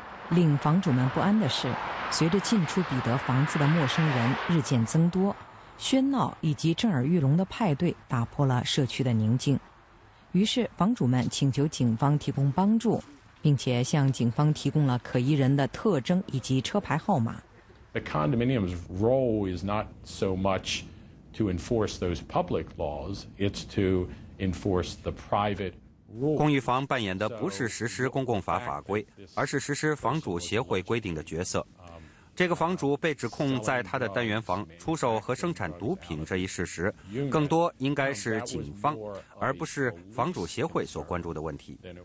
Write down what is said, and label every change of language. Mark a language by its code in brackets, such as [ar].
[zh] 令房主们不安的是，随着进出彼得房子的陌生人日渐增多，喧闹以及震耳欲聋的派对打破了社区的宁静。于是房主们请求警方提供帮助，并且向警方提供了可疑人的特征以及车牌号码。 [en] The condominium's role is not so much to enforce those public laws, it's to enforce the private rules. [zh] 公寓房扮演的不是实施公共法法规，而是实施房主协会规定的角色。这个房主被指控在他的单元房出售和生产毒品这一事实，更多应该是警方而不是房主协会所关注的问题。